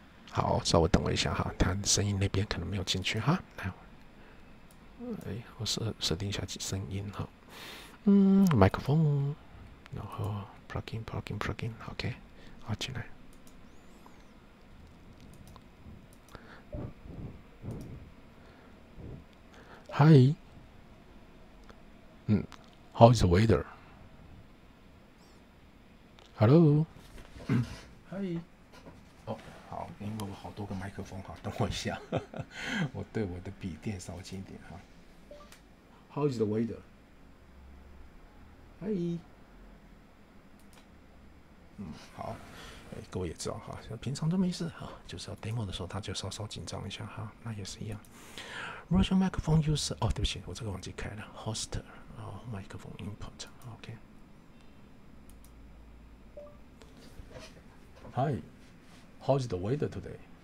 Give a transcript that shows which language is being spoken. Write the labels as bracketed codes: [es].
[zh] 好，稍微等我一下哈，它声音那边可能没有进去哈。来，哎，我设定一下声音哈。 [en] microphone， [zh] 然后 [en] plug in，OK， [zh] 好，进来。 [en] Hi，How is the weather？ Hello， [zh] 嗨，哦，好，因为我好多个麦克风哈，等我一下，我对我的笔电稍近一点哈。 [en] How is the weather？ [zh] 嗨，好，哎，各位也知道哈，平常都没事哈，就是要 demo 的时候，他就稍稍紧张一下哈，那也是一样。 [en] Virtual microphone user， [zh] 哦，对不起，我这个忘记开了，hoster，然后麦克风 input，OK。 [en] Hi, how's the weather today?